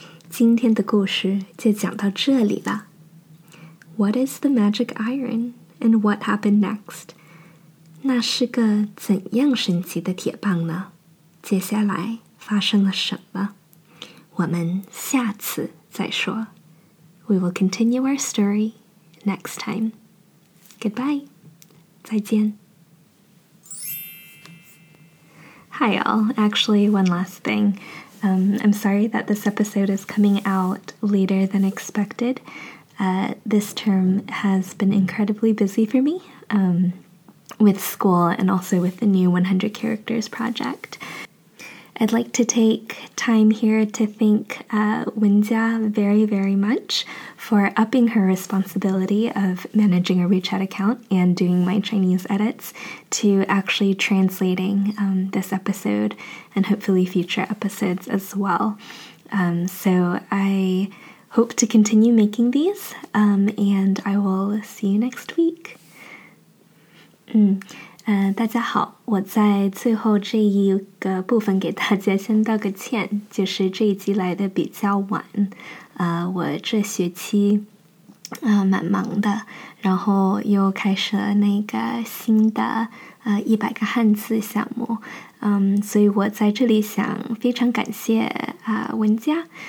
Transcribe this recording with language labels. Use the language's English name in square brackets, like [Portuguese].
[Chinese] 今天的故事就讲到这里了。 [English] What is the magic iron and what happened next? [Chinese] 那是个怎样神奇的铁棒呢？接下来发生了什么？我们下次再说。 [English] We will continue our story next time. Goodbye. [Chinese] 再见。 [English] Hi, y'all. Actually, one last thing. I'm sorry that this episode is coming out later than expected. This term has been incredibly busy for me, with school and also with the new 100 Characters project. I'd like to take time here to thank Wenjia very, very much for upping her responsibility of managing a WeChat account and doing my Chinese edits to actually translating this episode and hopefully future episodes as well. So I hope to continue making these, and I will see you next week. [Chinese] 大家好，我在最后这一个部分给大家先道个歉，就是这一集来的比较晚，我这学期蛮忙的，然后又开始了那个新的100个汉字项目，所以我在这里想非常感谢文佳。